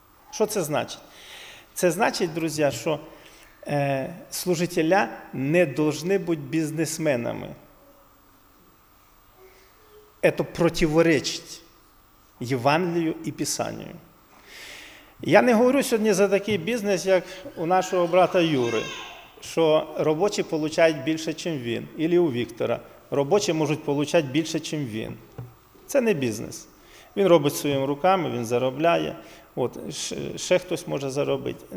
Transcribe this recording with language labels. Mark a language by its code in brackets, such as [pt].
[uk] Що це значить? Це значить, друзі, що служителя [ru] не должны [uk] бути бізнесменами. [ru] Это противоречить Евангелию и Писанию. [uk] Я не говорю сьогодні за такий бізнес, як у нашого брата Юри, що робочі получають більше, ніж він, або у Віктора. Робочі можуть получати більше, ніж він. Це не бізнес. Він робить своїми руками, він заробляє. От, ще хтось може заробити.